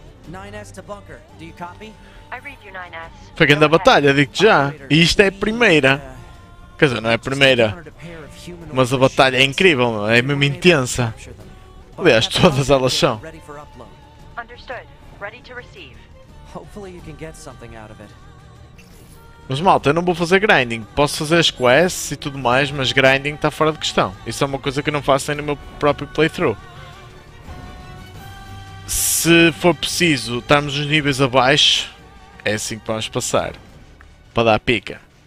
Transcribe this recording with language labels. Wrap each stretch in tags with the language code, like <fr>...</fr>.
<en>9S to bunker. Do you copy? I read you 9S.</en> <pt>Foi grande a batalha, digo-te já. E isto é a primeira. Quer dizer, não é a primeira. Mas a batalha é incrível, é mesmo intensa. Aliás, todas elas são.</pt> <en>Understood. Ready to receive. Hopefully you can get something out of it.</en> <pt>Mas malta, eu não vou fazer grinding. Posso fazer as quests e tudo mais, mas grinding está fora de questão. Isso é uma coisa que eu não faço nem no meu próprio playthrough. Se for preciso estarmos uns níveis abaixo, é assim que vamos passar. Para dar pica.</pt>